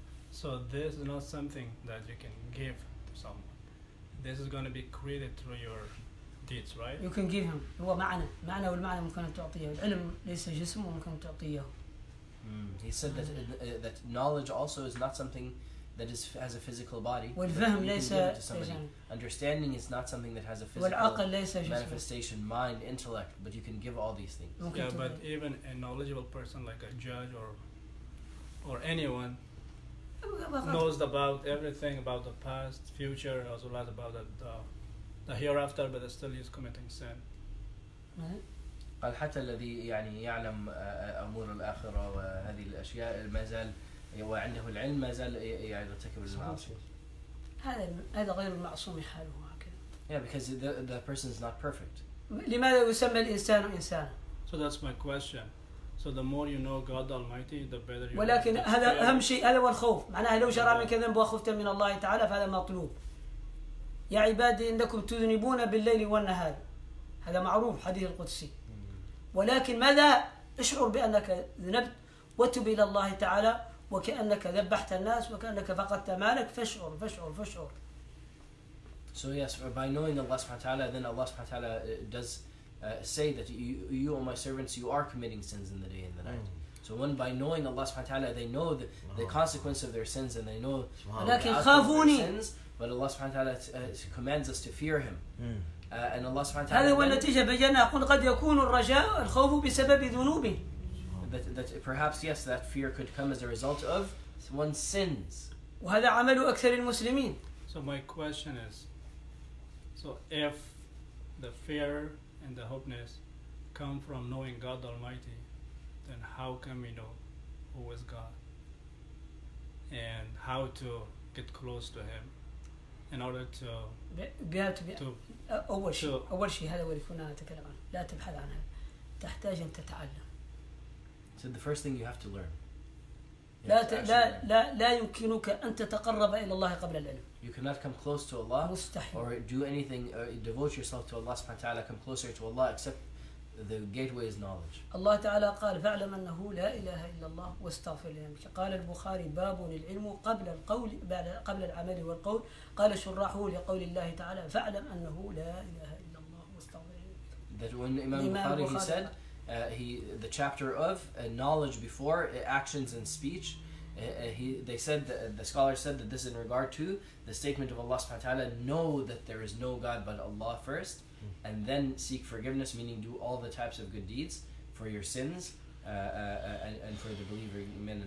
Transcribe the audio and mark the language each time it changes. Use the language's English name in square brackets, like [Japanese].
[English] So this is not something that you can give to someone. This is going to be created through your deeds, right? You can give him. [Arabic] هو معنى. معنى والمعنى ممكن أن تعطيه. العلم ليس جسم وممكن أن تعطيه. [English] He said that that knowledge also is not something that is has a physical body. [Arabic] والفهم ليس جسم. [English] Understanding is not something that has a physical manifestation, mind, intellect. But you can give all these things. Yeah, but even a knowledgeable person like a judge or anyone. Knows about everything about the past, future, as well as about the hereafter, but still he's committing sin. [Arabic] قال حتى الذي يعني يعلم أمور الآخرة وهذه الأشياء ما زال وعنده العلم ما زال يعني يرتكب المعاصي. هذا غير المعصوم حاله هكذا. [English] Yeah, because the person is not perfect. [Arabic] لماذا يسمى الإنسان إنسان؟ [English] So that's my question. So the more you know God Almighty, the better you. [Arabic] ولكن هذا أهم شيء هذا والخوف معناه لو جرى منك ذنب وخفت من الله تعالى فهذا مطلوب. يا عبادي إنكم تذنبون بالليل والنهار هذا معروف حديث القدسي. ولكن ماذا اشعر بأنك ذنبت وتب إلى الله تعالى وكأنك ذبحت الناس وكأنك فقدت مالك فشعر. [English] So yes, by knowing Allah [Arabic] سبحانه وتعالى, [English] then Allah سبحانه وتعالى does. Say that you are my servants, you are committing sins in the day and the night. So one by knowing Allah subhanahu wa ta'ala, they know the consequence of their sins and they know the outcome of their sins, but Allah subhanahu wa ta'ala commands us to fear Him. And Allah subhanahu wa ta'ala that perhaps yes, that fear could come as a result of one's sins. So my question is, so if the fear and the hopeness come from knowing God Almighty, then how can we know who is God and how to get close to Him in order to be able to be to, [Arabic] أول شيء هذا ولي كنا نتكلم عنه لا تبحث عنه تحتاج أن تتعلم. [English] So the first thing you have to learn. [Arabic] لا لا لا لا يمكنك أن تتقرب إلى الله قبل العلم. [English] You cannot come close to Allah. [Arabic] مستحيل. [English] Or do anything, or devote yourself to Allah [Arabic] سبحانه وتعالى, [English] come closer to Allah except the gateway is knowledge. [Arabic] الله تعالى قال فاعلم أنه لا إله إلا الله واستغفر لذنبك. قال البخاري باب العلم قبل القول قبل العمل والقول. قال شرحه لقول الله تعالى فاعلم أنه لا إله إلا الله واستغفر لذنبك. [English] That when Imam Bukhari he said. The chapter of knowledge before actions and speech. The scholar said that this is in regard to the statement of Allah subhanahu wa ta'ala, know that there is no God but Allah first, and then seek forgiveness, meaning do all the types of good deeds for your sins and for the believing men.